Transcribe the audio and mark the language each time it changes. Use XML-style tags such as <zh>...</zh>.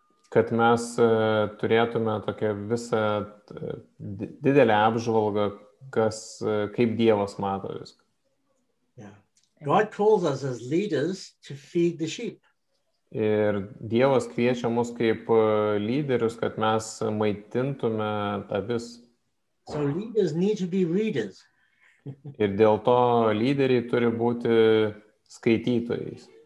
<lt>Kad mes turėtume tokią visą didelę apžvalgą, kas kaip Dievas mato viską.</lt> <en>Yeah. God calls us as leaders to feed the sheep.</en> <lt>Ir Dievas kviečia mus kaip lyderius, kad mes maitintume avis.</lt> <en>So leaders need to be readers.</en> <lt>Ir dėl to lyderiai turi būti skaitytojais.</lt>